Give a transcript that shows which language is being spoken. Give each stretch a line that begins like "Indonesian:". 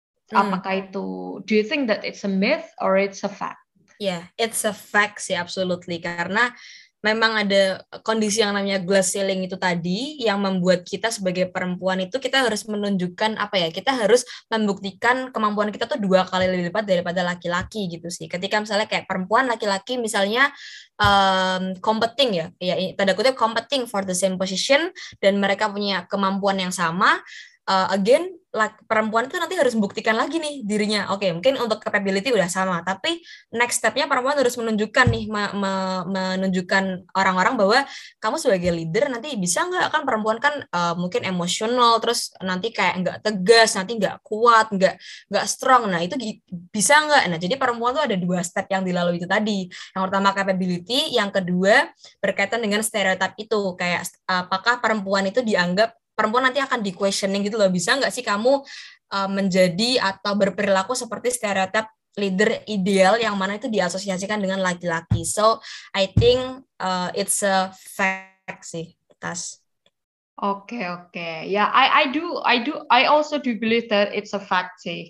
Indonesian: Apakah itu,
English: do you think that it's a myth or it's a fact? Yeah, it's a fact sih, absolutely. Karena
Indonesian: memang ada kondisi yang namanya glass ceiling itu tadi yang membuat kita sebagai perempuan itu kita harus menunjukkan apa ya, kita harus membuktikan kemampuan kita tuh dua kali lebih lipat daripada laki-laki gitu sih. Ketika misalnya kayak perempuan laki-laki misalnya competing ya, ya tanda kutip
English: competing for the same position
Indonesian: dan mereka punya kemampuan yang sama, again perempuan itu nanti harus membuktikan lagi nih dirinya. Oke, mungkin untuk capability udah sama, tapi next stepnya perempuan harus menunjukkan nih, menunjukkan orang-orang bahwa kamu sebagai leader nanti bisa nggak, kan perempuan kan mungkin emosional, terus nanti kayak nggak tegas, nanti nggak kuat, nggak strong. Nah itu bisa nggak? Nah jadi perempuan tuh ada dua step yang dilalui itu tadi. Yang pertama capability, yang kedua berkaitan dengan stereotype itu, kayak apakah perempuan itu dianggap, perempuan nanti akan di questioning gitu loh, bisa nggak sih kamu menjadi atau berperilaku seperti stereotip leader ideal yang mana itu diasosiasikan dengan laki-laki.
English: So I think it's a fact sih, Tas. Okay. Yeah, I also do believe that it's a fact sih.